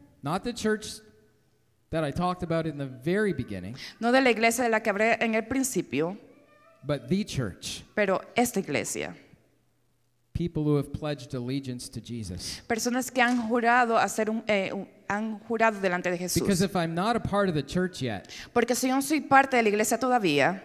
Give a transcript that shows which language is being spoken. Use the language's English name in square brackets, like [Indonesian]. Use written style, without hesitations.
[English] Not the church that I talked about in the very beginning. [Spanish] No de la iglesia de la que hablé en el principio. [English] But the church. [Spanish] Pero esta iglesia. [English] People who have pledged allegiance to Jesus. [Spanish] Personas que han jurado hacer han jurado delante de Jesús. [English] Because if I'm not a part of the church yet, [Spanish] porque si yo no soy parte de la iglesia todavía,